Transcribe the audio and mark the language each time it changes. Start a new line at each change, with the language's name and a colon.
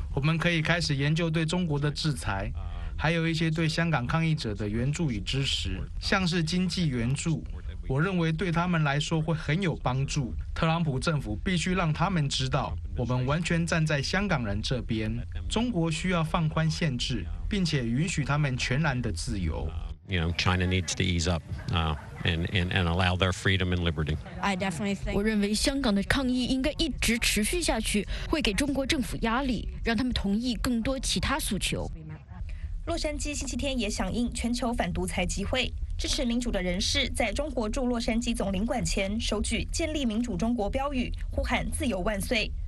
Chinese: 我们可以开始研究对中国的制裁，还有一些对香港抗议者的援助与支持，像是经济援助，我认为对他们来说会很有帮助。特朗普政府必须让他们知道，我们完全站在香港人这边。中国需要放宽限制，并且允许他们全然的自由。
English: China needs to ease up and allow their freedom and liberty.
Chinese: 我认为香港的抗议应该一直持续下去，会给中国政府压力，让他们同意更多其他诉求。洛杉矶星期天也响应全球反独裁集会，支持民主的人士在中国驻洛杉矶总领馆前手举建立民主中国标语，呼喊自由万岁。